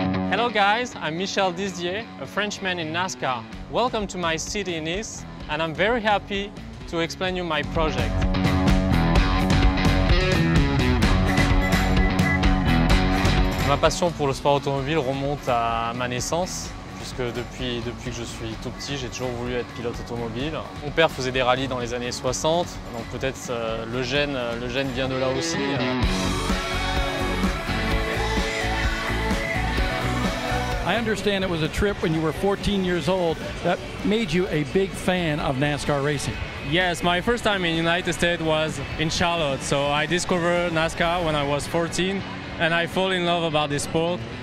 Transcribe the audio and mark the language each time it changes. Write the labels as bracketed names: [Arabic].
[English] Hello guys, I'm Michel Disdier, a Frenchman in NASCAR. Welcome to my city in Nice, and I'm very happy to explain you my project. [French] Ma passion pour le sport automobile remonte à ma naissance, puisque depuis que je suis tout petit, j'ai toujours voulu être pilote automobile. Mon père faisait des rallyes dans les années 60, donc peut-être le gène vient de là aussi. [English] I understand it was a trip when you were 14 years old that made you a big fan of NASCAR racing. Yes, my first time in the United States was in Charlotte. So I discovered NASCAR when I was 14 and I fall in love about this sport.